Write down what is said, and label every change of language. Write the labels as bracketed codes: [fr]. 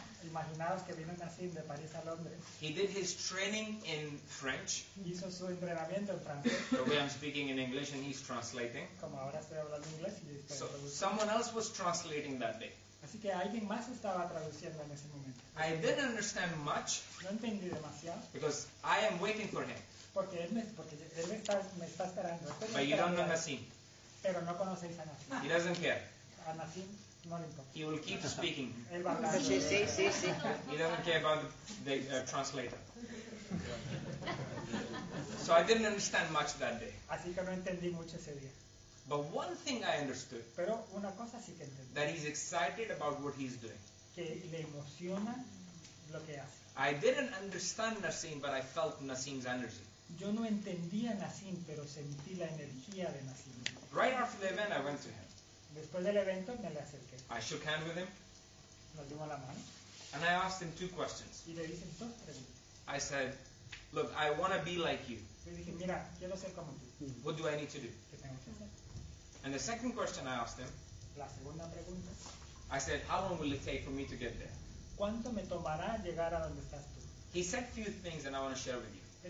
[es] Imaginaos que vino Nassim de París a Londres. [en] He did his training in French. [es] Hizo su entrenamiento en francés. [en] The way I'm speaking in English and he's translating. [es] Como ahora estoy hablando inglés y estoy [en] so someone else was translating that day. [es] Así que alguien más estaba traduciendo en ese momento. [en] I didn't understand much. [es] No entendí demasiado. [en] Because I am waiting for him. [es] Porque él me, porque él está, me está esperando. [en] But you don't know Nassim. [es] Pero no conocéis a Nassim. [en] He doesn't care. [es] A Nassim no le importa. [en] He will keep speaking. [es] Él va a hablar. Sí, sí, sí, sí. [en] He doesn't care about the translator. So I didn't understand much that day. [es] Así que no entendí mucho ese día. [en] But one thing I understood. [es] Pero una cosa sí que entendí. [en] That he's excited about what he's doing. [es] Que le emociona lo que hace. [en] I didn't understand Nassim, but I felt Nassim's energy. [es] Yo no entendía Nassim, pero sentí la energía de Nassim. [en] Right after the event, I went to him. [es] Después del evento, me le acerqué. [en] I shook hands with him. [es] Nos dimos la mano. [en] And I asked him two questions. [es] Y le hice dos preguntas. [en] I said, look, I want to be like you. [es] Le dije, mira, quiero ser como tú. [en] What do I need to do? [es] ¿Qué tengo que hacer? [en] And the second question I asked him, [es] la segunda pregunta, [en] I said, how long will it take for me to get there? [es] ¿Cuánto me tomará llegar a donde estás tú? [en] He said a few things and I want to share with you.